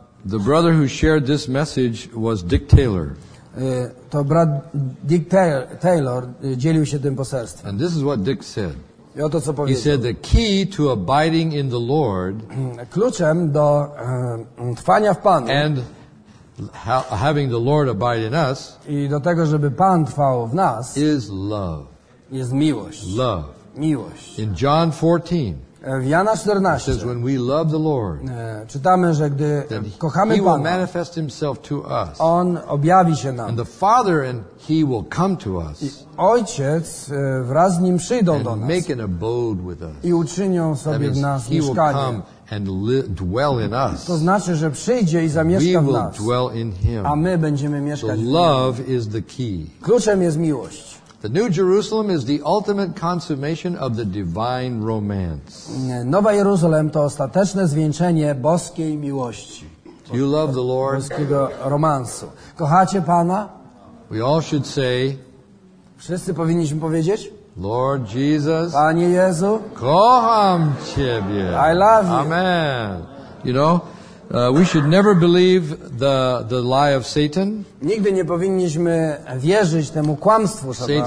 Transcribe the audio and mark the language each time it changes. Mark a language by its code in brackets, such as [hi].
[en] The brother who shared this message was Dick Taylor. [pl] To brat Dick Taylor dzielił się tym poselstwem. [en] And this is what Dick said. [pl] I oto co powiedział. [en] He said the key to abiding in the Lord [pl] kluczem do trwania w Panu [en] and having the Lord abide in us [pl] i do tego, żeby Pan trwał w nas, [en] is love. [pl] Jest miłość. [en] Love. [pl] Miłość. [en] In John 14, [pl] w Jana 14 [en] it says, when we love the Lord, [pl] czytamy, że gdy kochamy [en] he [pl] Pana, [en] will manifest himself to us. [pl] On objawi się nam. [en] And the Father and he will come to us. [pl] I Ojciec wraz z Nim przyjdą [en] and [pl] do nas. [en] Make an abode with us. [pl] I uczynią sobie [en] that means [pl] w nas [en] he [pl] mieszkanie. [en] Will come and dwell in us. [pl] To znaczy, że przyjdzie i zamieszka [en] we [pl] w nas. [en] Will dwell in him. [pl] A my będziemy mieszkać [en] so [pl] w nim. [en] Love is the key. [pl] Kluczem jest miłość. [en] The New Jerusalem is the ultimate consummation of the divine romance. [pl] Nowa Jeruzalem to ostateczne zwieńczenie boskiej miłości. [en] Do you love the Lord? [pl] Boskiego romansu. Kochacie Pana? [en] We all should say. [pl] Wszyscy powinniśmy powiedzieć. [en] Lord Jesus. [pl] Panie Jezu. Kocham Ciebie. [en] I love you. Amen. You know, we should never believe the lie of Satan. [pl] Nigdy nie powinniśmy wierzyć temu kłamstwu szatana.